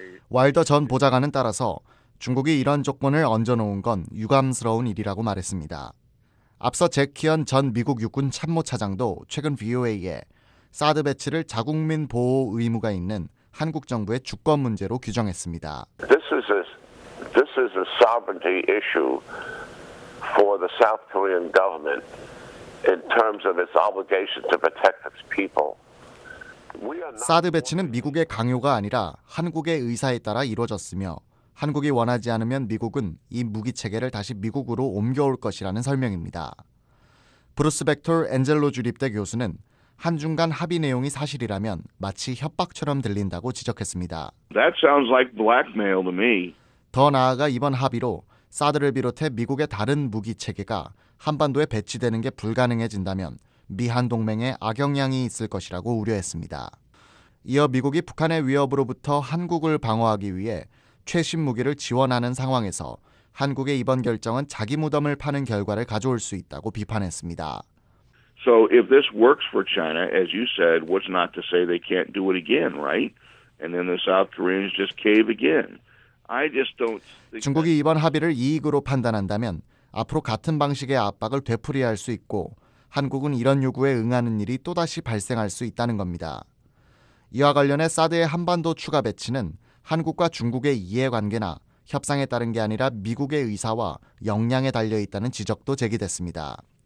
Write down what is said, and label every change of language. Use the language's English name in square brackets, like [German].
[Korean] 와일더 전 보좌관은 따라서 중국이 이런 조건을 얹어놓은 건 유감스러운 일이라고 말했습니다. 앞서 잭 키언 전 미국 육군 참모차장도 최근 VOA에 사드 배치를 자국민 보호 의무가 있는 한국 정부의 주권 문제로 규정했습니다. [English] This is a sovereignty issue for the South Korean government in terms of its obligation to protect its people. [Korean] 사드 배치는 미국의 강요가 아니라 한국의 의사에 따라 이루어졌으며 한국이 원하지 않으면 미국은 이 무기체계를 다시 미국으로 옮겨올 것이라는 설명입니다. 브루스 벡톨 엔젤로 주립대 교수는 한중 간 합의 내용이 사실이라면 마치 협박처럼 들린다고 지적했습니다. [English] That sounds like blackmail to me. [Korean] 더 나아가 이번 합의로 사드를 비롯해 미국의 다른 무기체계가 한반도에 배치되는 게 불가능해진다면 미한 동맹에 악영향이 있을 것이라고 우려했습니다. 이어 미국이 북한의 위협으로부터 한국을 방어하기 위해 최신 무기를 지원하는 상황에서 한국의 이번 결정은 자기 무덤을 파는 결과를 가져올 수 있다고 비판했습니다. [English] So if this works for China, as you said, what's not to say they can't do it again, right? And then the South Koreans just cave again. I just don't. [Korean] 중국이 이번 합의를 이익으로 판단한다면 앞으로 같은 방식의 압박을 되풀이할 수 있고 한국은 이런 요구에 응하는 일이 또다시 발생할 수 있다는 겁니다. 이와 관련해 사드의 한반도 추가 배치는 한국과 중국의 이해관계나 협상에 따른 게 아니라 미국의 의사와 역량에 달려있다는 지적도 제기됐습니다.